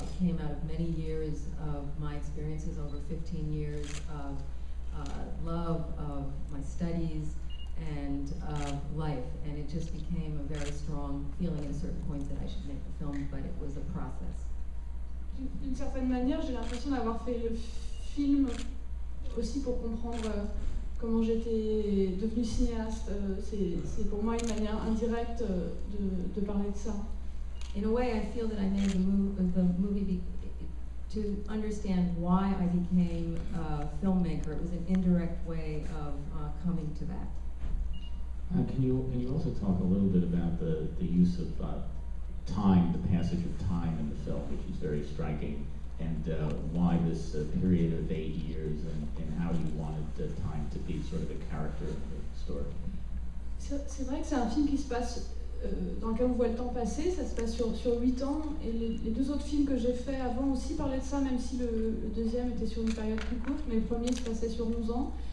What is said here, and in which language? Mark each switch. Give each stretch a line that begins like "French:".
English: It came out of many years of my experiences over 15 years of love, of my studies, and of life. And it just became a very strong feeling at a certain point that I should make the film, but it was a process.
French: D'une certaine manière, j'ai l'impression d'avoir fait le film aussi pour comprendre comment j'étais devenue cinéaste. C'est pour moi une manière indirecte de parler de ça.
English: In a way, I feel that I made the movie to understand why I became a filmmaker. It was an indirect way of coming to that. Can you also talk a little bit about the use of time, the passage of time in the film, which is very striking, and why this period of 8 years and how you wanted the time to be sort of the character of the story?
French: C'est vrai que c'est un film qui se passe dans lequel on voit le temps passer, ça se passe sur 8 ans, et les deux autres films que j'ai fait avant aussi parlaient de ça, même si le deuxième était sur une période plus courte, mais le premier se passait sur 11 ans.